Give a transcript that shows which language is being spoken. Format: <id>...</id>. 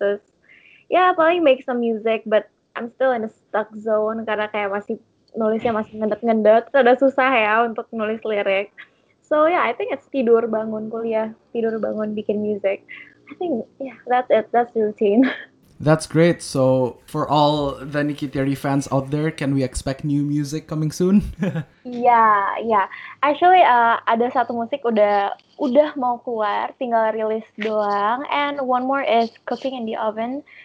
<id>Terus, yeah, paling</id> <en>make some music, but I'm still in a stuck zone</en> <id>karena kayak masih nulisnya masih ngendek-ngendek, ada susah ya untuk nulis lirik.</id> <en>So yeah, I think it's</en> <id>tidur bangun kuliah, tidur bangun bikin music.</id> <en>I think yeah, that's it. That's the routine. That's great. So for all the Nikki Thierry fans out there, can we expect new music coming soon? yeah.</en> <id>Actually, ada satu musik udah mau keluar, tinggal rilis doang.</id> <en>And one more is Cooking in the Oven.</en>